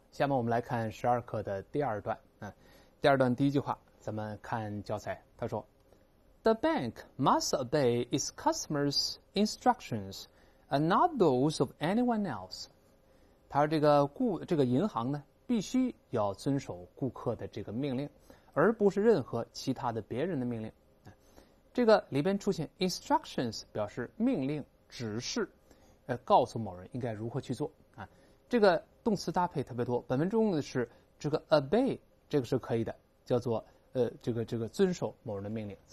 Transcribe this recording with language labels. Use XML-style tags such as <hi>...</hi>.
<zh>下面我们来看十二课的第二段。第二段第一句话，咱们看教材。他说 ：“</zh> <en>The bank must obey its customers' instructions, and not those of anyone else。”</en> <zh>他说这个银行呢，必须要遵守顾客的这个命令，而不是任何其他的别人的命令。这个里边出现 instructions 表示命令、指示，告诉某人应该如何去做啊。这个动词搭配特别多，本文中用的是这个 obey， 这个是可以的，叫做这个遵守某人的命令。</zh>